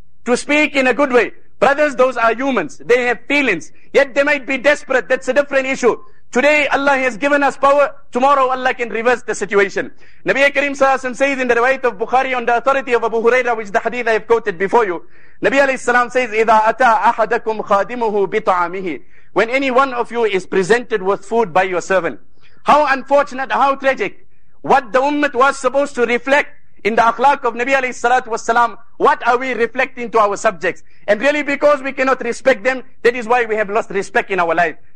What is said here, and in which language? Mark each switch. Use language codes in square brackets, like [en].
[en] To speak in a good way. Brothers, those are humans. They have feelings. Yet they might be desperate. That's a different issue. Today Allah has given us power. Tomorrow Allah can reverse the situation. Nabi Karim sallallahu alayhi wa sallam says in the riwayat of Bukhari on the authority of Abu Huraira, which the hadith I have quoted before you. Nabi alayhi salam says, [ar] إِذَا أَتَى أَحَدَكُمْ خَادِمُهُ بِطَعَامِهِ. [en] When any one of you is presented with food by your servant. How unfortunate, how tragic. What the ummah was supposed to reflect in the akhlaq of Nabi alayhi salatu was salam, what are we reflecting to our subjects? And really, because we cannot respect them, that is why we have lost respect in our life.